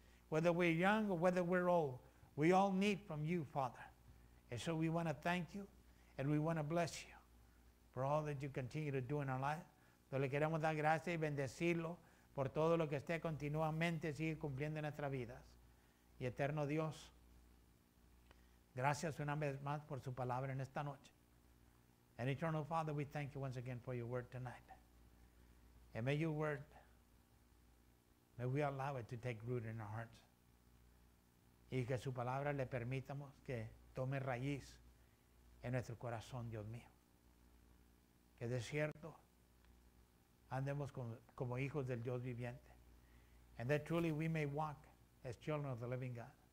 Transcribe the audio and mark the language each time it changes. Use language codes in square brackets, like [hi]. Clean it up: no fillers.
[en] Whether we're young or whether we're old, we all need from you, Father. And so we want to thank you and we want to bless you for all that you continue to do in our life. [es] No le queremos dar gracias y bendecirlo por todo lo que esté continuamente sigue cumpliendo en nuestras vidas. Y eterno Dios, gracias una vez más por su palabra en esta noche. [en] And eternal Father, we thank you once again for your word tonight. And may your word, may we allow it to take root in our hearts. [es] Y que su palabra le permitamos que tome raíz en nuestro corazón, Dios mío. Que de cierto andemos como hijos del Dios viviente. [en] And that truly we may walk as children of the living God.